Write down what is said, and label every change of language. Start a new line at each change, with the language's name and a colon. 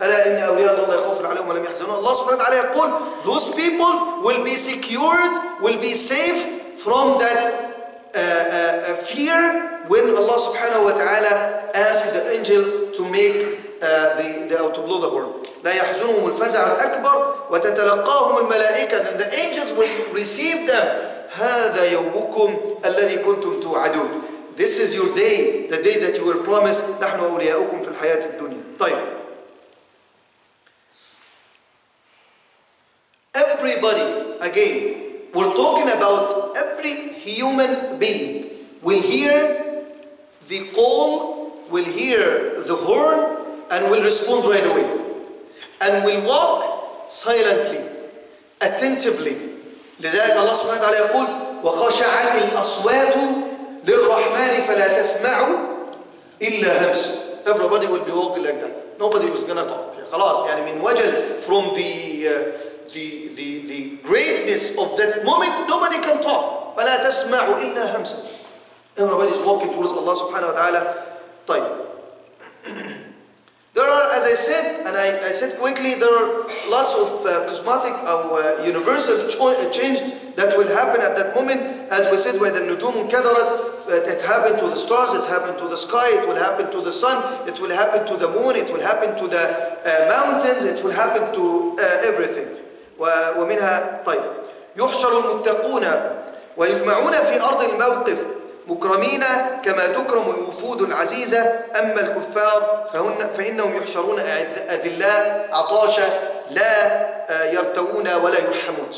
English: Allah subhanahu wa ta'ala yaqul, those people will be secured, will be safe from that fear when Allah subhanahu wa ta'ala asks the angel to make to blow the horn.
Arabic: لا يحزنهم الفزع الأكبر وتتلقاهم الملائكة.
English: And the angels will receive them.
Arabic: هذا يومكم الذي كنتم توعدون.
English: This is your day, the day that you were promised.
Arabic: نحن أولياؤكم في الحياة الدنيا. طيب.
English: Everybody, again, we're talking about every human being will hear the call, will hear the horn, and will respond right away. And we walk silently, attentively.
Arabic: لذلك الله سبحانه وتعالى يقول وخشعت الأصوات للرحمن فلا تسمعوا إلا همسا.
English: Everybody will be walking like that. Nobody was gonna talk.
Arabic: خلاص يعني من وجل
English: from the greatness of that moment, nobody can talk.
Arabic: فلا تسمعوا إلا همسا.
English: Everybody is walking towards Allah سبحانه وتعالى. طيب. There are, as I said, and I said quickly, there are lots of cosmetic or universal change that will happen at that moment. As we said, when the nujum kadarat, it happened to the stars, it happened to the sky, it will happen to the sun, it will happen to the moon, it will happen to the mountains, it will happen to everything.
Arabic: ومنها طيب يحشر المتقون ويجمعون في أرض الموقف مكرمين كما تكرم الوفود العزيزة أما الكفار فإنهم يحشرون أذلاء عطاشة لا يرتوون ولا يرحمون.